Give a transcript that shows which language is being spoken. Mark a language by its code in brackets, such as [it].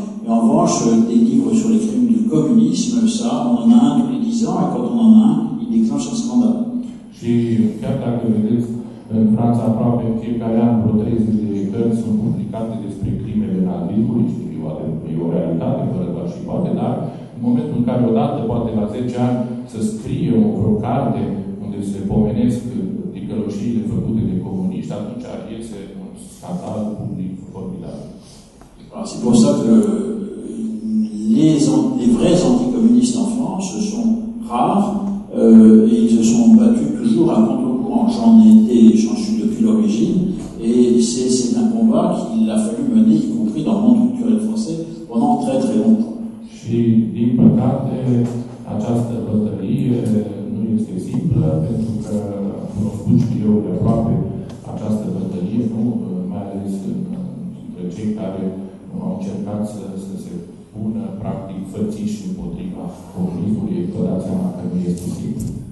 [fr] Et en revanche, des livres sur les crimes du communisme, ça, on en a un tous les 10 ans, et quand on en a un, il déclenche un scandale. [ro] Și chiar dacă vedeți, în Franța aproape fiecare an, vreo 30 de cărți sunt publicate despre crimele nazismului, știu, e o realitate, fără doar și poate, dar în momentul în care odată, poate la 10 ani, să scrie o vreo carte unde se pomenesc ticăloșiile făcute de comuniști, atunci ar iese un scandal public formidabil. [fr] C'est pour ça que les vrais anticommunistes en France sont rares et ils se sont battus toujours à contre-courant. J'en suis depuis l'origine et c'est un combat qu'il a fallu mener, y compris dans le monde culturel français, pendant très très longtemps. [ro] Et, din păcate, această bătălie nu este simplă, pentru că cunoscut și eu de aproape această bătălie, nu, mai ales între cei care au încercat să se pună, practic, fățiși împotriva comunismului, e tot dat seama că nu este simplu.